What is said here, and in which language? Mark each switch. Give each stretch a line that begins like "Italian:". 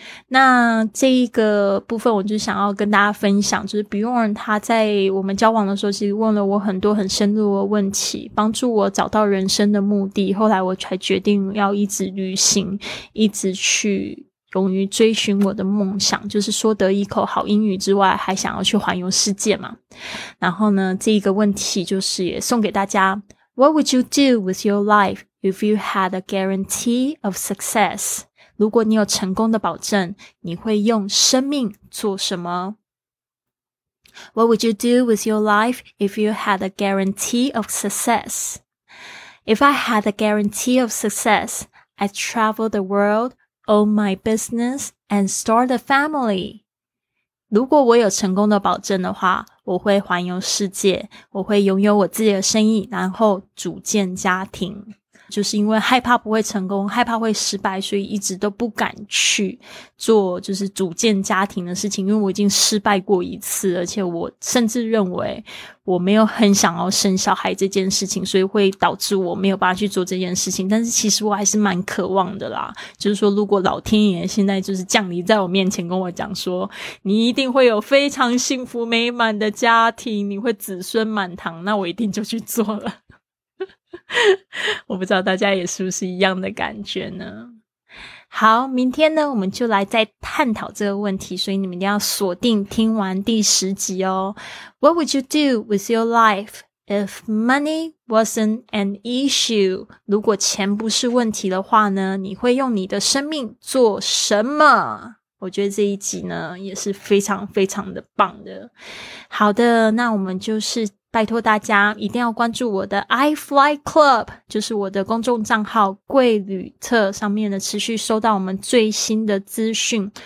Chinese: 那这一个部分我就想要跟大家分享，就是 Bjorn 他在我们交往的时候其实问了我很多很深入的问题，帮助我找到人生的目的，后来我才决定要一直旅行，一直去勇于追寻我的梦想，就是说得一口好英语之外还想要去环游世界嘛。然后呢，这一个问题就是也送给大家。
English: What would you do with your life if you had a guarantee of success？
Chinese: 如果你有成功的保证，你会用生命做什么？
English: What would you do with your life if you had a guarantee of success? If I had a guarantee of success, I'd travel the world, own my business, and start a family.
Chinese: 如果我有成功的保证的话，我会环游世界，我会拥有我自己的生意，然后组建家庭。就是因为害怕不会成功，害怕会失败，所以一直都不敢去做就是组建家庭的事情，因为我已经失败过一次，而且我甚至认为我没有很想要生小孩这件事情，所以会导致我没有办法去做这件事情。但是其实我还是蛮渴望的啦，就是说如果老天爷现在就是降临在我面前跟我讲说，你一定会有非常幸福美满的家庭，你会子孙满堂，那我一定就去做了。我不知道大家也是不是一样的感觉呢。好，明天呢我们就来再探讨这个问题，所以你们一定要锁定听完第十集哦。
English: What would you do with your life if money wasn't an issue?
Chinese: 如果钱不是问题的话呢，你会用你的生命做什么？我觉得这一集呢也是非常非常的棒的。好的，那我们就是拜托大家一定要关注我的 iFly Club， 就是我的公众账号贵旅特上面的，持续收到我们最新的资讯。